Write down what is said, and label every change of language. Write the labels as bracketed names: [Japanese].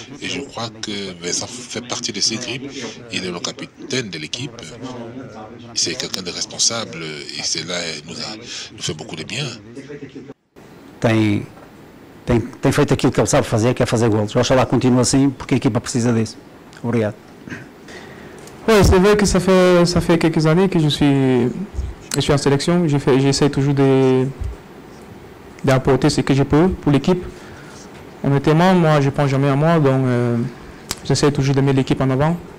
[French] Et je crois que Vincent fait partie de ces groupes. Il est le capitaine de l'équipe, c'est quelqu'un de responsable et c'est là nous fait beaucoup de bien. [Portuguese] Tem feito aquilo que ele sabe fazer, que é fazer gols. Eu acho que ela continua assim porque a equipa precisa disso. Obrigado. [French] Oui, c'est vrai que ça fait quelques années que je suis en sélection. J'essaie toujours d'apporter ce que je peux pour l'équipe. Honnêtement, moi, je pense jamais à moi, donc j'essaie toujours de mettre l'équipe en avant.